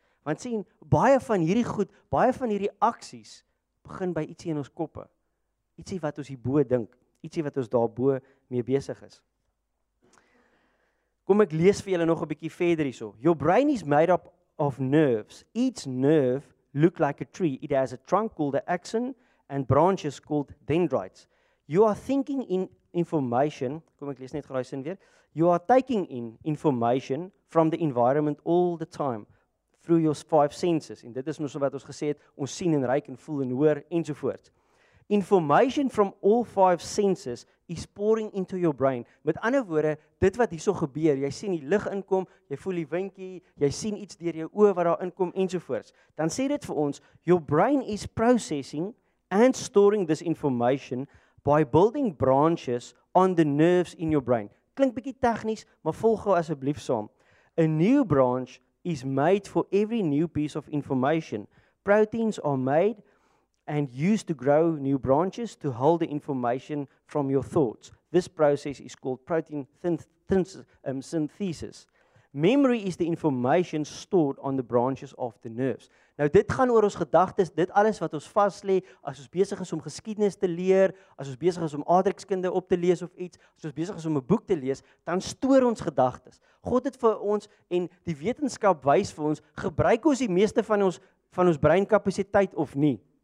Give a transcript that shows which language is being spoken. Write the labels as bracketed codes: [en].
[af] Want sien, baie van hierdie goed, baie van hierdie aksies begin by ietsie in ons koppe. Ietsie wat ons hierbo dink, ietsie wat ons daarbo mee besig is. Kom ek lees vir julle nog 'n bietjie verder hierso. [en] Your brain is made up of nerves. Each nerve look like a tree. It has a trunk called the axon and branches called dendrites. You are thinking in information. [af] Kom ek lees net gou sin weer. [en] You are taking in information from the environment all the time through your 5 senses. [af] En dit is mos wat ons gesê het, ons sien en ruik en voel en hoor ensovoorts. [en] Information from all 5 senses is pouring into your brain. [af] Met ander woorde, dit wat hierso gebeur, jy sien die lig inkom, jy voel die windjie, jy sien iets deur jou oë wat daar inkom ensovoorts. Dan sê dit vir ons, [en] your brain is processing and storing this information by building branches on the nerves in your brain. [af] Klink bietjie tegnies, maar volg gou asseblief saam. [en] A new branch is made for every new piece of information. Proteins are made and used to grow new branches to hold the information from your thoughts. This process is called protein synthesis. Memory is the information stored on the branches of the nerves. [af] Nou dit gaan oor ons gedagtes, dit alles wat ons vas lê, as ons besig is om geskiedenis te leer, as ons besig is om aardrykskunde op te lees of iets, as ons besig is om 'n boek te lees, dan stoor ons gedagtes. God het vir ons en die wetenskap wys vir ons, gebruik ons die meeste van ons breinkapasiteit of nie?